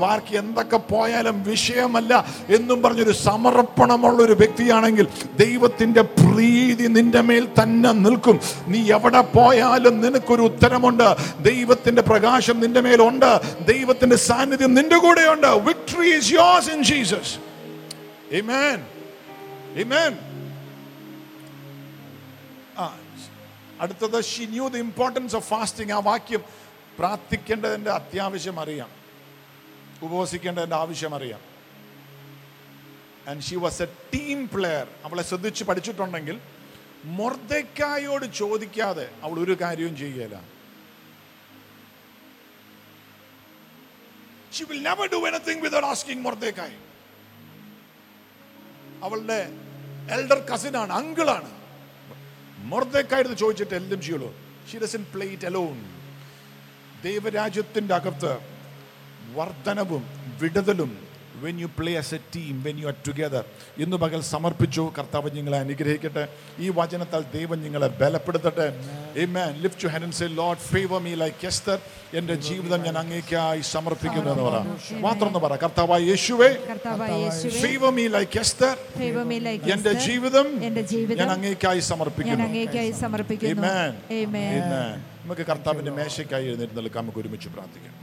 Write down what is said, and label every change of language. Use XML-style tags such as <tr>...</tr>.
<ml>വാർക്ക് എന്തൊക്കെ പോയാലും വിഷയമല്ല എന്നും പറഞ്ഞൊരു സമർപ്പണമുള്ളൊരു വ്യക്തിയാണെങ്കിൽ ദൈവത്തിൻ്റെ പ്രീതി നിന്റെ മേൽ തന്നെ നിൽക്കും. നീ എവിടെ പോയാലും നിനക്കൊരു ഉത്തരമുണ്ട്, ദൈവത്തിൻ്റെ പ്രകാശം നിന്റെ മേലുണ്ട്, ദൈവത്തിൻ്റെ സാന്നിധ്യം നിന്റെ കൂടെ.</ml> <en>Victory is yours in Jesus. Amen. Amen.</en> <ml>അടുത്തത്,</ml> <en>she knew the importance of fasting.</en> <ml>ആ വാക്യം, പ്രാർത്ഥിക്കേണ്ടതിന്റെ അത്യാവശ്യം അറിയാം, ഉപവസിക്കേണ്ടതിന്റെ ആവശ്യം അറിയാം.</ml> <en>And she was a team player.</en> <ml>അവളെ ശ്രദ്ധിച്ച് പഠിച്ചിട്ടുണ്ടെങ്കിൽ മൊർദ്ദെക്കായോട് ചോദിക്കാതെ അവൾ ഒരു കാര്യവും ചെയ്യുകയില്ല.</ml> <en>She will never do anything without asking Mordecai.</en> <ml>അവളുടെ എൽഡർ കസിൻ ആണ്, അങ്കിളാണ്. മൊർദ്ദെക്കായി ചോദിച്ചിട്ട് എല്ലാം ചെയ്യുള്ളൂ.</ml> <en>She doesn't play it alone.</en> <ml>ദൈവരാജ്യത്തിന്റെ അകത്ത് വർദ്ധനവും വിടുതലും</ml> <en>when you play as a team, when you are together.</en> <ml>ഇന്ന് പകൽ സമർപ്പിച്ചു, കർത്താവ് നിങ്ങളെ അനുഗ്രഹിക്കട്ടെ. ഈ വചനത്താൽ ദൈവം നിങ്ങളെ ബലപ്പെടുത്തട്ടെ. ആമേൻ.</ml> <en>Lift your hand and say, Lord, favor me like Esther.</en> <ml>എന്റെ ജീവിതം ഞാൻ അങ്ങേക്കായി സമർപ്പിക്കുന്നു എന്ന് പറ, മാത്രം ഒന്ന് പറ. കർത്താവായ യേശുവേ,</ml> <en>favor me like Esther.</en> <ml>എന്റെ ജീവിതം ഞാൻ അങ്ങേക്കായി സമർപ്പിക്കുന്നു. ആമേൻ. നമുക്ക് കർത്താവിന്റെ മേശയ്ക്കായി എഴുന്നേറ്റ് നിൽക്കാം. നമുക്ക് ഒരുമിച്ച് പ്രാർത്ഥിക്കാം.</ml>